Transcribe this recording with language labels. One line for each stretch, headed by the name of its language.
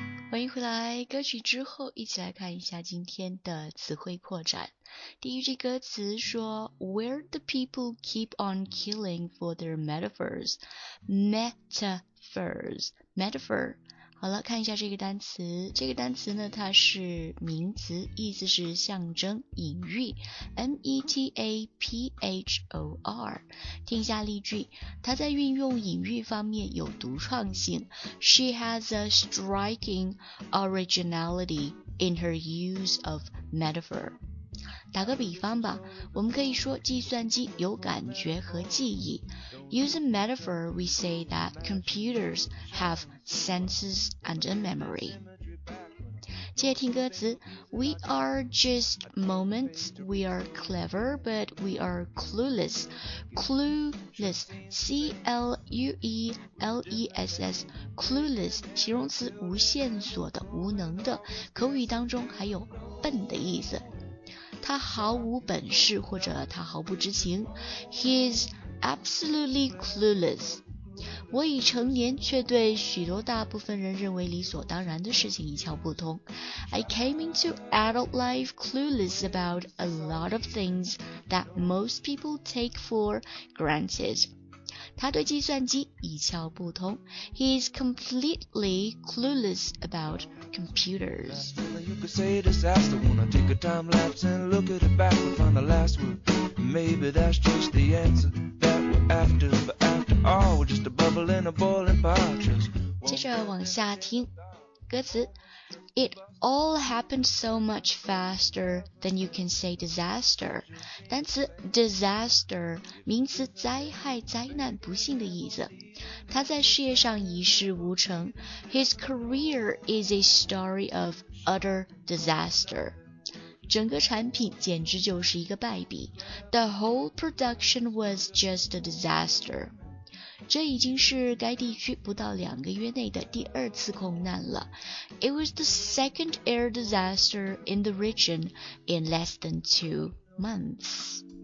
Chinese: 欢迎回来，歌曲之后一起来看一下今天的词汇扩展。第一句歌词说
English: Where the people keep on killing for their metaphors.
Chinese: Metaphors. Metaphor. 好了，看一下这个单词。这个单词呢，它是名词，意思是象征、隐喻。
English: Metaphor.
Chinese: 听一下例句，他在运用隐喻方面有独创性。
English: She has a striking originality in her use of metaphor.
Chinese: 打个比方吧，我们可以说计算机有感觉和记忆。
English: Using metaphor, we say that computers have senses and a memory.
Chinese: 接听歌词
English: We are just moments, we are clever, but we are clueless.
Chinese: Clueless, C-L-U-E-L-E-S-S, clueless, 形容词无线索的、无能的，口语当中还有笨的意思。他毫无本事或者他毫不知情
English: He's absolutely clueless.
Chinese: 我已成年却对许多大部分人认为理所当然的事情一窍不通
English: I came into adult life clueless about a lot of things that most people take for granted.
Chinese: 他对计算机一窍不通
English: He's completely clueless about computers. You could say disaster when I take a time lapse and look at it back and find the last word. Maybe that's just the answer that we're after. But after all, we're just a bubble in a boiling pot.
Chinese: 接着往下听歌词
English: It all happened so much faster than you can say disaster.
Chinese: 单词 disaster 名词灾害、灾难、不幸的意思。他在事业上一事无成
English: His career is a story of utter disaster.
Chinese: 整个产品简直就是一个败笔
English: The whole production was just a disaster.
Chinese: 这已经是该地区不到两个月内的第二次空难了
English: It was the second air disaster in the region in less than 2 months.